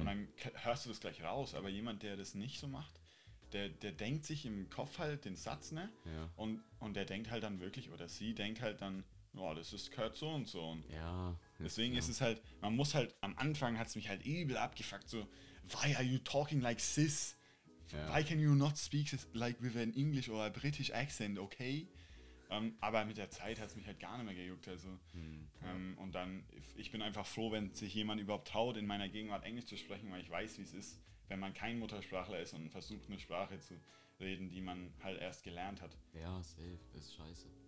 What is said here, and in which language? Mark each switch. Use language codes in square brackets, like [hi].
[de] Und dann hörst du das gleich raus. Aber jemand, der das nicht so macht, der denkt sich im Kopf halt den Satz, ne? Ja. Und der denkt halt dann wirklich, oder sie denkt halt dann, boah, das ist gehört so und so. Und ja. Deswegen ist es halt, man muss halt, am Anfang hat es mich halt übel abgefuckt, so, [en] why are you talking like this? Yeah. Why can you not speak this, like with an English or a British accent, okay? [de] Aber mit der Zeit hat es mich halt gar nicht mehr gejuckt, also. Und dann, ich bin einfach froh, wenn sich jemand überhaupt traut, in meiner Gegenwart Englisch zu sprechen, weil ich weiß, wie es ist, wenn man kein Muttersprachler ist und versucht, eine Sprache zu reden, die man halt erst gelernt hat. Ja, safe, das ist scheiße.